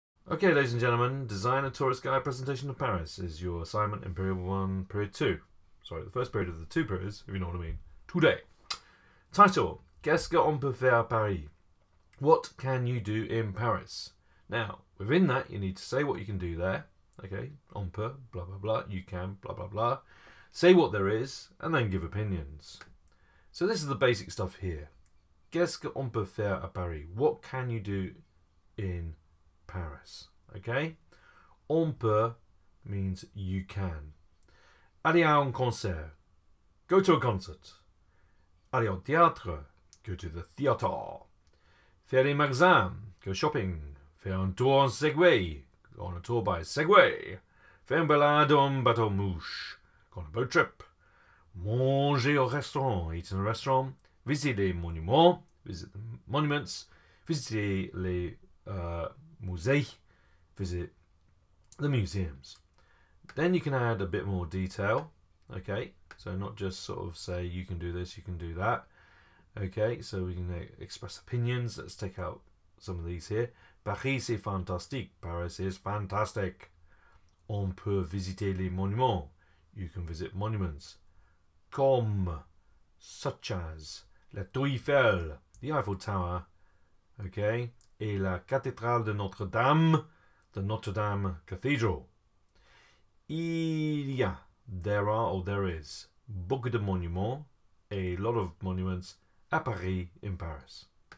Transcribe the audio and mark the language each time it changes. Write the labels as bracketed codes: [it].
[en] Okay, ladies and gentlemen, design a tourist guide presentation of Paris is your assignment in period one, period two. Sorry, the first period of the two periods, if you know what I mean, today. [fr] Title, Qu'est-ce qu'on peut faire à Paris? [en] What can you do in Paris? Now, within that, you need to say what you can do there. Okay, [fr] on peut, [en] blah, blah, blah, you can, blah, blah, blah. Say what there is, and then give opinions. So this is the basic stuff here. [fr] Qu'est-ce qu'on peut faire à Paris? [en] What can you do in Paris? Okay? [fr] On peut [en] means you can. [fr] Aller à un concert. [en] Go to a concert. [fr] Aller au théâtre. [en] Go to the theatre. [fr] Faire les magasins. [en] Go shopping. [fr] Faire un tour en Segway. [en] Go on a tour by Segway. [fr] Faire une balade en bateau mouche. [en] Go on a boat trip. [fr] Manger au restaurant. [en] Eat in a restaurant. Visit [fr] les monuments. [en] Visit the monuments. Visit [fr] les musées. [en] Visit the museums. Then you can add a bit more detail. Okay. So not just sort of say you can do this, you can do that. Okay. So we can express opinions. Let's take out some of these here. [fr] Paris c'est fantastique. [en] Paris is fantastic. [fr] On peut visiter les monuments. [en] You can visit monuments. Comme, such as, la Tour Eiffel, the Eiffel Tower, okay, et la Cathédrale de Notre-Dame, the Notre-Dame Cathedral. [fr] Il y a, [en] there are, or there is, [fr] beaucoup de monuments, [en] a lot of monuments, [fr] à Paris, [en] in Paris.